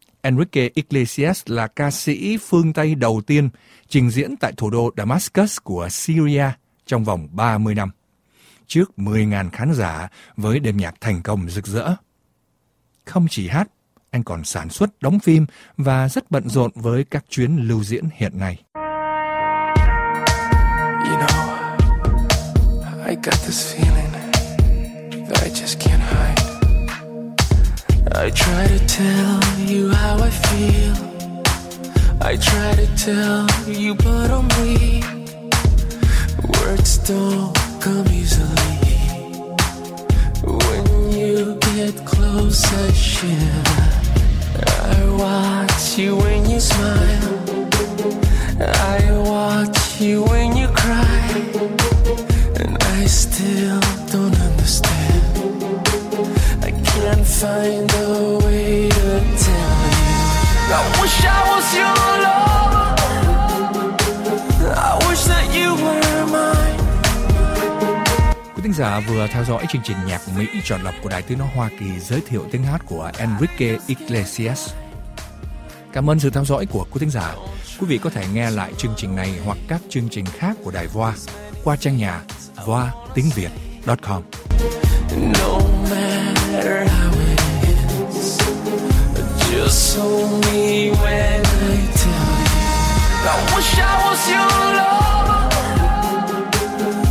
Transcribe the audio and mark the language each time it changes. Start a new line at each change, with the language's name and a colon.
Vietnamese: Enrique Iglesias là ca sĩ phương Tây đầu tiên trình diễn tại thủ đô Damascus của Syria trong vòng 30 năm, trước 10.000 khán giả với đêm nhạc thành công rực rỡ. Không chỉ hát, anh còn sản xuất, đóng phim và rất bận rộn với các chuyến lưu diễn hiện nay.
English: You know, I got this feeling that I just can't hide. I try to tell you how I feel. I try to tell you, but I'm weak. Words don't come easily. When you get close, I shiver. I watch you when you smile. I watch you when you cry. And I still don't understand. I can't find a way to tell you. I wish I was your lover. I wish that you were mine.
Vietnamese: Quý thính giả vừa theo dõi chương trình nhạc Mỹ chọn lọc của Đài Tiếng Nói Hoa Kỳ giới thiệu tiếng hát của Enrique Iglesias. Cảm ơn sự theo dõi của quý thính giả. Quý vị có thể nghe lại chương trình này hoặc các chương trình khác của Đài Voa qua trang nhà voatiengviet.com.
English: No matter how it is, just hold me when I tell you. I wish I was your lover.